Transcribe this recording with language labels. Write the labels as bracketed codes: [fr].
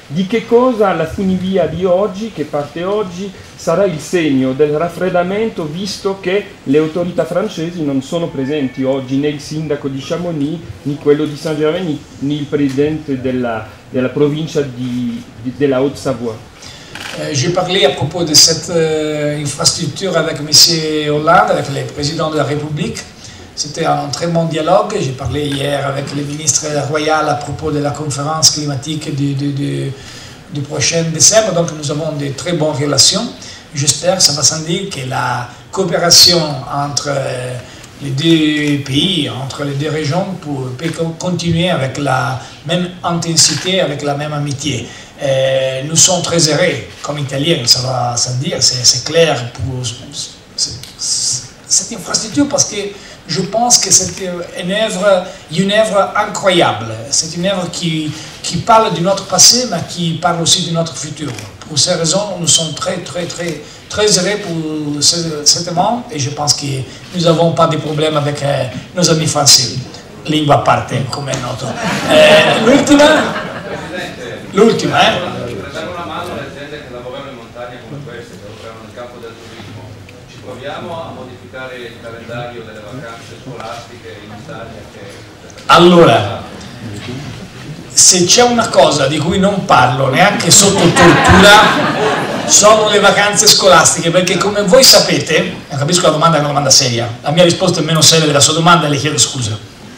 [it] Di che cosa la funivia di oggi, che parte oggi, sarà il segno del raffreddamento, visto che le autorità francesi non sono presenti oggi, né il sindaco di Chamonix, né quello di Saint-Germain, né il presidente della provincia della Haute-Savoie? [fr] J'ai parlé à propos de cette infrastructure avec M. Hollande, avec le président de la République. C'était un très bon dialogue. J'ai parlé hier avec le ministre royal à propos de la conférence climatique du prochain décembre. Donc nous avons de très bonnes relations. J'espère, ça va sans dire, que la coopération entre les deux pays, entre les deux régions, peut continuer avec la même intensité, avec la même amitié. Nous sommes très heureux, comme Italiens, ça va sans dire, c'est clair pour cette infrastructure, parce que je pense que c'est une œuvre incroyable. C'est une œuvre qui parle de notre passé, mais qui parle aussi de notre futur. Pour ces raisons, nous sommes très, très, très, très heureux pour cet événement, et je pense que nous n'avons pas de problème avec nos amis français. [it] Lingua a parte, comme est noto. L'ultima. L'ultima, Per dare una mano alle aziende che lavorano in montagna come queste, che lavorano nel campo del turismo, ci proviamo a modificare il calendario delle vacanze scolastiche in Italia? Allora, se c'è una cosa di cui non parlo neanche sotto tortura, sono le vacanze scolastiche, perché come voi sapete, capisco la domanda è una domanda seria, la mia risposta è meno seria della sua domanda e le chiedo scusa.